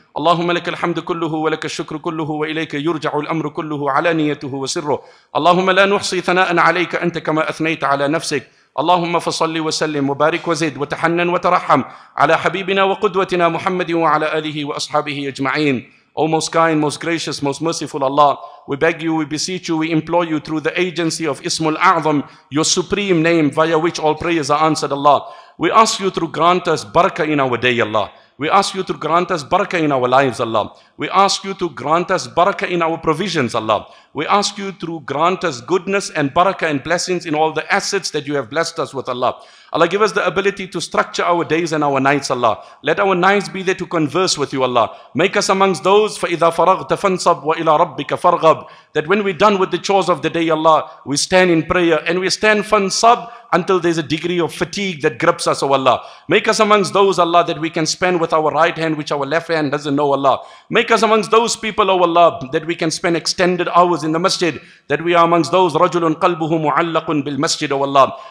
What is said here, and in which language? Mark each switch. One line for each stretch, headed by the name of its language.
Arabic: اللهم لك الحمد كله ولك الشكر كله وإليك يرجع الأمر كله على نيته وسره اللهم لا نحصي ثناء عليك أنت كما أثنيت على نفسك اللهم فصلي وسلم وبارك وزد وتحنن وترحم على حبيبنا وقدوتنا محمد وعلى آله وأصحابه أجمعين.
English: O most kind, most gracious, most merciful Allah, we beg you, we beseech you, we implore you through the agency of Ismul A'zam, your supreme name via which all prayers are answered, Allah. We ask you to grant us barakah in our day, Allah. We ask you to grant us barakah in our lives, Allah. We ask you to grant us barakah in our provisions, Allah. We ask you to grant us goodness and barakah and blessings in all the assets that you have blessed us with, Allah. Allah, give us the ability to structure our days and our nights, Allah. Let our nights be there to converse with you, Allah. Make us amongst those,
Arabic: فَإِذَا فَرَغْتَ فَانْصَبْ وَإِلَىٰ رَبِّكَ فَارْغَبْ.
English: That when we're done with the chores of the day, Allah, we stand in prayer and we stand فَانْصَبْ until there's a degree of fatigue that grips us, O Allah. Make us amongst those, Allah, that we can spend with our right hand, which our left hand doesn't know, Allah. Make us amongst those people, O Allah, that we can spend extended hours in the masjid, that we are amongst those,
Arabic: رَجُلٌ قَلْبُهُ مُعَلَّقٌ بِالْمَسْجِدِ,
English: O Allah.